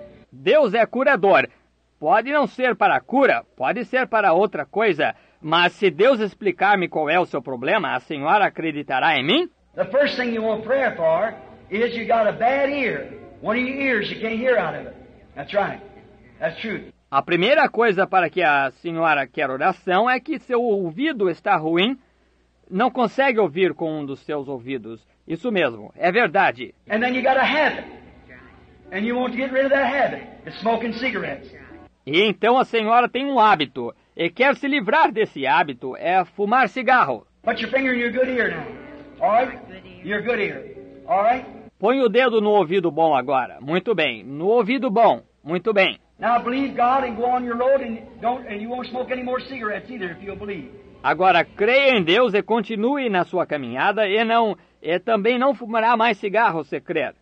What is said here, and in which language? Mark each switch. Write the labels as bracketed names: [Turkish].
[Portuguese] Deus é curador. Pode não ser para cura, pode ser para outra coisa. Mas se Deus explicar-me qual é o seu problema, a senhora acreditará em mim? [English] The first thing you want prayer for is you got a bad ear. One of your ears you can't hear out of it. That's right. That's true. [Portuguese] A primeira coisa para que a senhora quer oração é que seu ouvido está ruim. Não consegue ouvir com um dos seus ouvidos. Isso mesmo. É verdade. [English] And then you got a habit. And you want to get rid of that habit. It's smoking cigarettes. [Portuguese] E então a senhora tem um hábito. E quer se livrar desse hábito, é fumar cigarro. [English] Put your finger in your good ear now. All right? Your good ear. All right? [Portuguese] Põe o dedo no ouvido bom agora. Muito bem. No ouvido bom. Muito bem. [English] Now believe God and go on your road and you won't smoke any more cigarettes either if you'll believe. [Portuguese] Agora creia em Deus e continue na sua caminhada e também não fumará mais cigarro se crer.